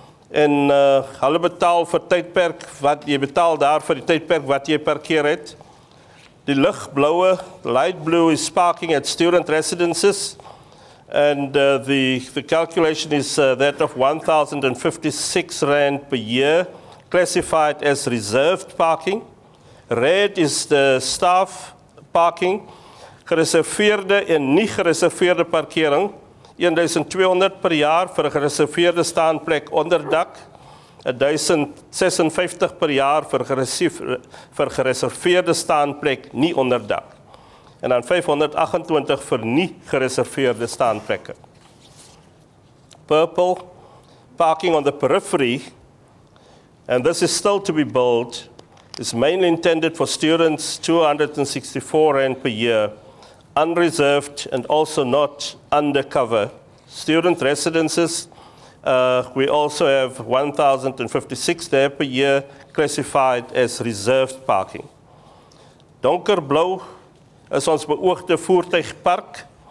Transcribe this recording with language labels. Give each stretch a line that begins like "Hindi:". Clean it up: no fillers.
Afrikaans: En hulle betaal vir tydperk wat jy betaal daar vir die tydperk wat jy parkeer het. Die ligblauwe,
English: light blue is parking at student residences. And the calculation is that of 1,056 rand per year, classified as reserved parking. Red is the staff parking.
Afrikaans: Gereserveerde en nie gereserveerde parkering, 1,200 per jaar vir gereserveerde staanplek onder dak, 1,056 per jaar vir gereserveerde staanplek nie onder dak. En dan 528 vir nie gereserveerde staanplekke.
English: Purple, parking on the periphery, and this is still to be built, is mainly intended for students, 264 rand per year, unreserved and also not undercover. Student residences, We also have 1,056 there per year classified as reserved parking.
Afrikaans: Donkerblou is ons beoogde voertuigpark.